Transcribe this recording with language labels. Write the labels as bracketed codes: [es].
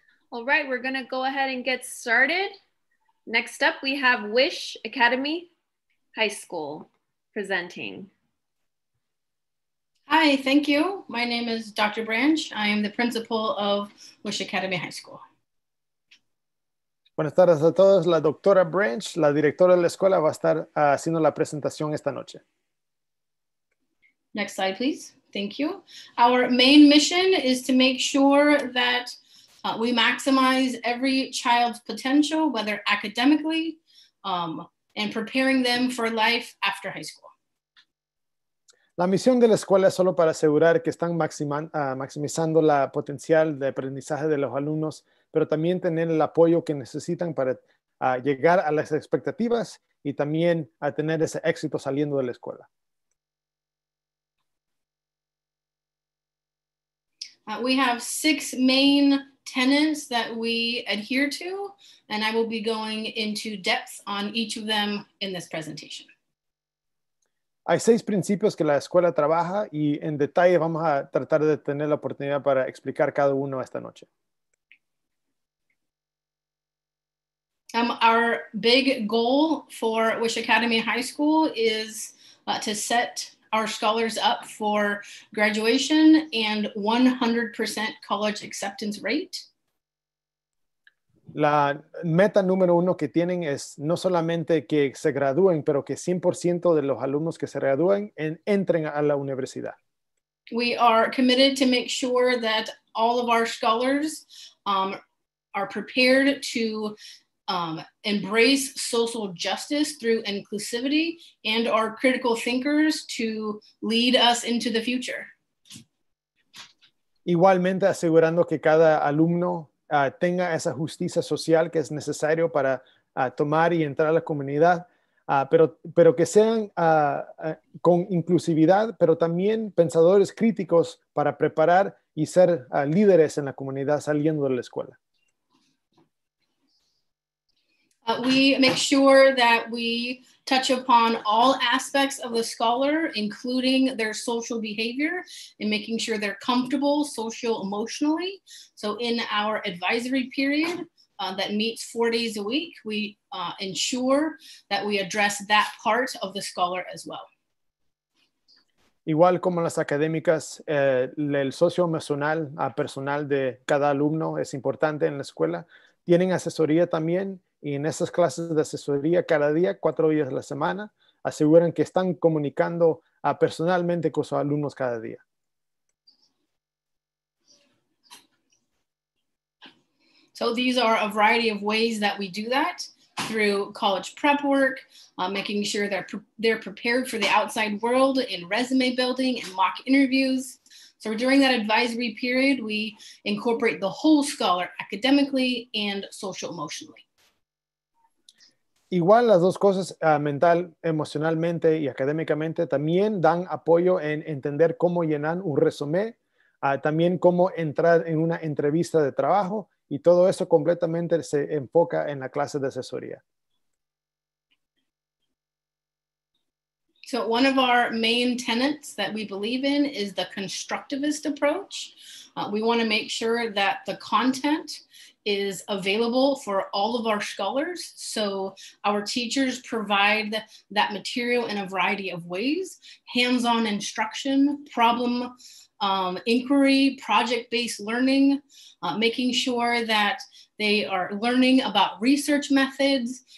[en] All right, we're gonna go ahead and get started. Next up, we have Wish Academy High School presenting. Hi, thank you. My name is Dr. Branch. I am the principal of Wish Academy High School. [es] Buenas tardes a todos. La doctora Branch, la directora de la escuela, va a estar haciendo la presentación esta noche. [en] Next slide, please. Thank you. Our main mission is to make sure that we maximize every child's potential, whether academically, and preparing them for life after high school. [es] La misión de la escuela es solo para asegurar que están maximizando la potencial de aprendizaje de los alumnos, pero también tener el apoyo que necesitan para llegar a las expectativas y también a tener ese éxito saliendo de la escuela. [en] We have six main tenets that we adhere to, and I will be going into depth on each of them in this presentation. [es] Hay seis principios que la escuela trabaja y en detalle vamos a tratar de tener la oportunidad para explicar cada uno esta noche. [en] Our big goal for Wish Academy High School is to set our scholars up for graduation and 100% college acceptance rate. [es] La meta número uno que tienen es no solamente que se gradúen, pero que 100% de los alumnos que se gradúen entren a la universidad. [en] We are committed to make sure that all of our scholars are prepared to embrace social justice through inclusivity and are critical thinkers to lead us into the future. [es] Igualmente asegurando que cada alumno tenga esa justicia social que es necesario para tomar y entrar a la comunidad, pero que sean con inclusividad, pero también pensadores críticos para preparar y ser líderes en la comunidad saliendo de la escuela. [en] We make sure that we touch upon all aspects of the scholar, including their social behavior and making sure they're comfortable social emotionally. So in our advisory period that meets 4 days a week, we ensure that we address that part of the scholar as well. [es] Igual como las académicas, el socio emocional personal de cada alumno es importante en la escuela. Tienen asesoría también. Y en esas clases de asesoría cada día, 4 días a la semana, aseguran que están comunicando personalmente con sus alumnos cada día. [en] So these are a variety of ways that we do that through college prep work, making sure they're prepared for the outside world in resume building and mock interviews. So during that advisory period, we incorporate the whole scholar academically and social emotionally. [es] Igual las dos cosas, mental, emocionalmente y académicamente, también dan apoyo en entender cómo llenar un resumen, también cómo entrar en una entrevista de trabajo, y todo eso completamente se enfoca en la clase de asesoría. [en] So one of our main tenets that we believe in is the constructivist approach. We want to make sure that the content is available for all of our scholars. So our teachers provide that material in a variety of ways: hands-on instruction, problem inquiry, project-based learning, making sure that they are learning about research methods.